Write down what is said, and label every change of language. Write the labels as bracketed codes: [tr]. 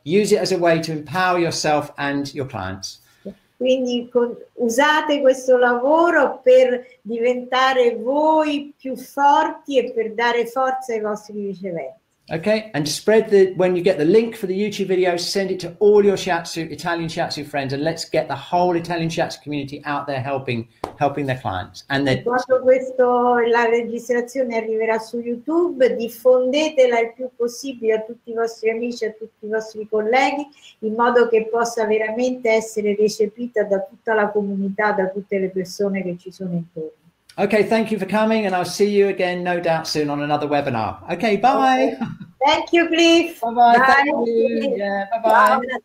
[en] Use it as a way to empower yourself and your clients. [it] Quindi usate questo lavoro per diventare voi più forti e per dare forza ai vostri riceventi. [en] Okay, and spread when you get the link for the YouTube video, send it to all your Shiatsu, Italian Shiatsu friends, and let's get the whole Italian Shiatsu community out there helping their clients. And then [it] quando questo la registrazione arriverà su YouTube, diffondetela il più possibile a tutti i vostri amici, a tutti i vostri colleghi, in modo che possa veramente essere recepita da tutta la comunità, da tutte le persone che ci sono intorno. [en] Okay, thank you for coming, and I'll see you again, no doubt, soon on another webinar. Okay, bye. Okay. Thank you, Cliff. Bye-bye. Bye. Thank you. Yeah, bye-bye.